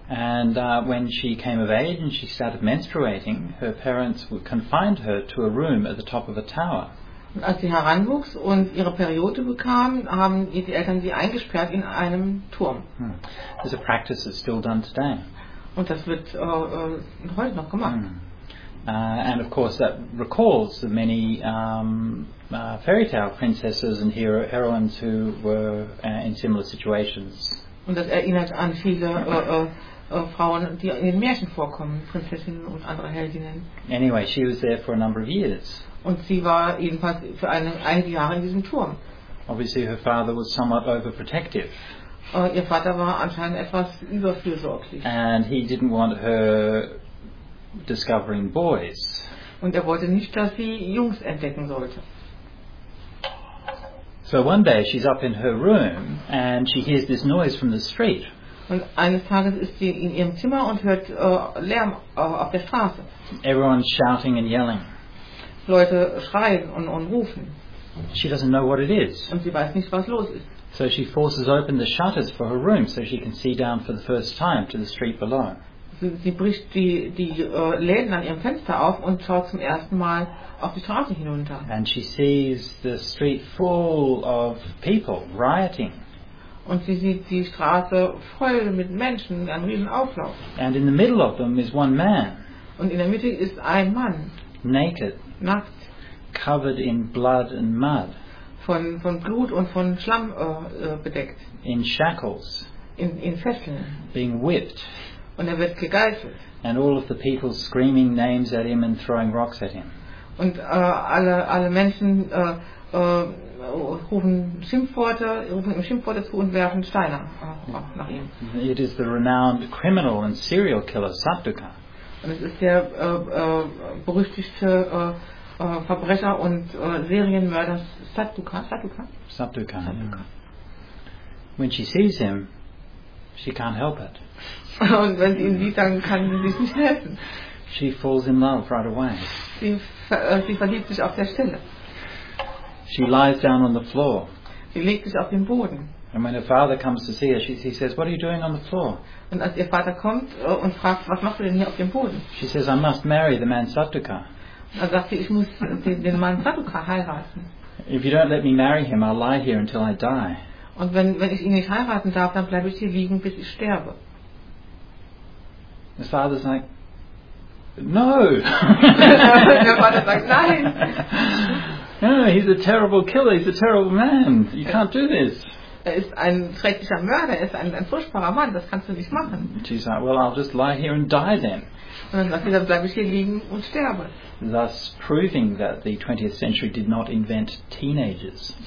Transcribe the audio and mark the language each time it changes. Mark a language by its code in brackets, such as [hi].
[en] And when she came of age and she started menstruating, her parents confined her to a room at the top of a tower. [de] Und als sie heranwuchs und ihre Periode bekam, haben die Eltern sie eingesperrt in einem Turm. [en] There's a practice that's still done today. [de] Und das wird heute noch gemacht. [en] And of course that recalls the many fairy tale princesses and heroines who were in similar situations. [de] Und das erinnert an viele Frauen, die in den Märchen vorkommen, Prinzessinnen und andere Heldinnen. [en] Anyway, she was there for a number of years. [de] Und sie war jedenfalls für einige Jahre in diesem Turm. [en] Obviously her father was somewhat overprotective. [de] Ihr Vater war anscheinend etwas überfürsorglich. [en] And he didn't want her discovering boys. [de] Und wollte nicht, dass sie Jungs entdecken sollte. [en] So one day she's up in her room and she hears this noise from the street. [de] Und eines Tages ist sie in ihrem Zimmer und hört Lärm auf der Straße. [en] Everyone's shouting and yelling. [de] Leute schreien und rufen. [en] She doesn't know what it is. [de] Und sie weiß nicht, was los ist. [en] So she forces open the shutters for her room so she can see down for the first time to the street below. [de] Sie bricht die Läden an ihrem Fenster auf und schaut zum ersten Mal auf die Straße hinunter. [en] And she sees the street full of people rioting. [de] Und sie sieht die Straße voll mit Menschen, einen riesen Auflauf. [en] And in the middle of them is one man. [de] Und in der Mitte ist ein Mann. [en] Naked. [de] Nackt. [en] Covered in blood and mud. [de] Von Blut und von Schlamm bedeckt. [en] In shackles. [de] In Fesseln. [en] Being whipped. [de] Und wird gegeißelt. [en] And all of the people screaming names at him and throwing rocks at him. [de] Und alle Menschen rufen ihm Schimpfworte zu und werfen Steine nach ihm. [en] It is the renowned criminal and serial killer Satuka. [de] Und es ist der berüchtigte Verbrecher und Serienmörder Satuka. [en] Satuka. [de] Satuka. Satuka. [en] When she sees him, she can't help it. [de] Und wenn sie ihn sieht, dann kann sie sich nicht helfen. [en] She falls in love right away. [de] Sie verliebt sich auf der Stelle. [en] She lies down on the floor. [de] Sie legt sich auf den Boden. [en] And when her father comes to see her, he says, "What are you doing on the floor?" [de] Und als ihr Vater kommt und fragt, was machst du denn hier auf dem Boden? [en] She says, "I must marry the man Satuka." [de] Dann sagt sie, ich muss den Mann Satuka heiraten. [en] If you don't let me marry him, I'll lie here until I die. [de] Und wenn ich ihn nicht heiraten darf, dann bleibe ich hier liegen, bis ich sterbe. [en] His father's like, no. [de] Der Vater sagt, nein. [en] No, he's a terrible killer. He's a terrible man. You can't do this. [de] Er ist ein schrecklicher Mörder. Er ist ein furchtbarer Mann. Das kannst du nicht machen. [en] She's like, well, I'll just lie here and die then. [de] Und dann sagt sie, dann bleibe ich hier liegen und sterbe. [en] Thus proving that the 20th century did not invent teenagers.